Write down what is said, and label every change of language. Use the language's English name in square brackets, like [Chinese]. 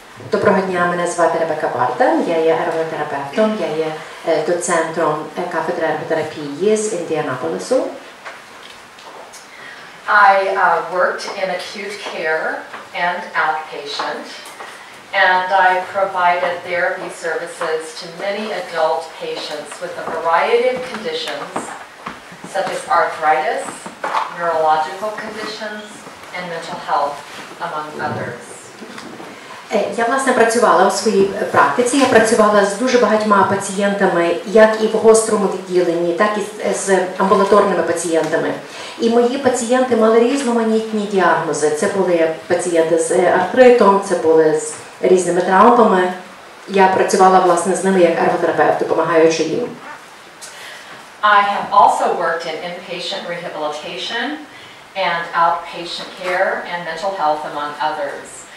[Ukrainian] Доброго дня, мене звати Ребекка Бартон, я є ерготерапевтом, я є доцентом кафедри ерготерапії з Індіанаполису. [English] I worked in acute care and outpatient, and I provided therapy services to many adult patients with a variety of conditions, such as arthritis, neurological conditions, and mental health, among others. [Ukrainian] Я, власне, працювала у своїй практиці. Я працювала з дуже багатьма пацієнтами, як і в гострому відділенні, так і з амбулаторними пацієнтами. І мої пацієнти мали різноманітні діагнози. Це були пацієнти з артритом, це були з різними травмами. Я працювала, власне, з ними як ерготерапевт, допомагаючи їм. [English] I have also worked in inpatient rehabilitation and outpatient care and mental health, among others.